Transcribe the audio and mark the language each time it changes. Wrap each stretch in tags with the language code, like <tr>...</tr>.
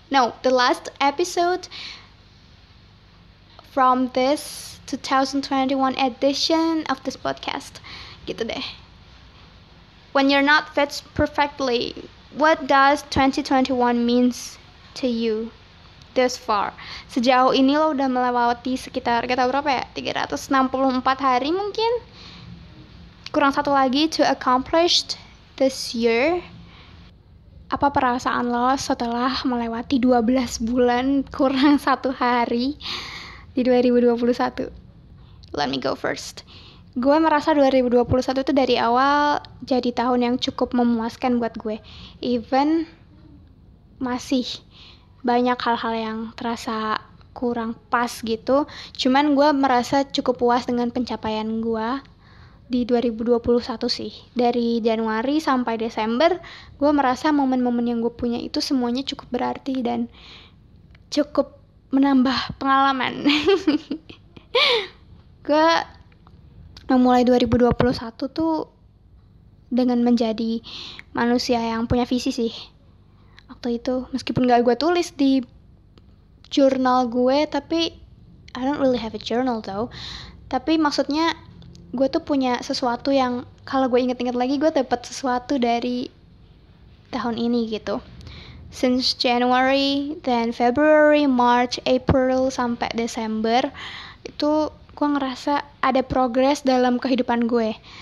<en>No, the last episode from this 2021 edition of this podcast.</en> <id>Gitu deh.</id> <en>When you're not fit perfectly, what does 2021 means to you this far?</en> <id>Sejauh ini lo udah melewati sekitar, gak tau berapa ya, 364 hari mungkin? Kurang satu lagi</id> <en>to accomplished this year.</en> <id>Apa perasaan lo setelah melewati 12 bulan kurang satu hari di 2021?</id> <en>Let me go first.</en> <id>Gue merasa 2021 itu dari awal jadi tahun yang cukup memuaskan buat gue. Even masih banyak hal-hal yang terasa kurang pas gitu, cuman gue merasa cukup puas dengan pencapaian gue di 2021 sih. Dari Januari sampai Desember, gue merasa momen-momen yang gue punya itu semuanya cukup berarti dan cukup menambah pengalaman. Gue memulai 2021 tuh dengan menjadi manusia yang punya visi sih. Waktu itu, meskipun gak gue tulis di jurnal gue, tapi</id> <en>I don't really have a journal though.</en> <id>Tapi maksudnya, gue tuh punya sesuatu yang kalau gue inget-inget lagi, gue dapat sesuatu dari tahun ini gitu.</id> <en>Since January, then February, March, April,</en> <id>sampai Desember, itu gue ngerasa ada progress dalam kehidupan gue.</id>